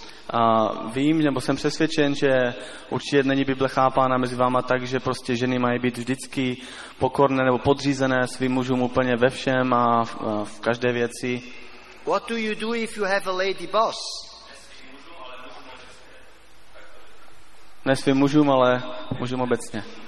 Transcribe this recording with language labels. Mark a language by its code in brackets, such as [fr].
[cs] A vím, nebo jsem přesvědčen, že určitě není Bible chápána mezi váma tak, že prostě ženy mají být vždycky pokorné nebo podřízené svým mužům úplně ve všem a v každé věci. [en] What do you do if you have a lady boss? [cs] Ne svým mužům, ale mužům obecně.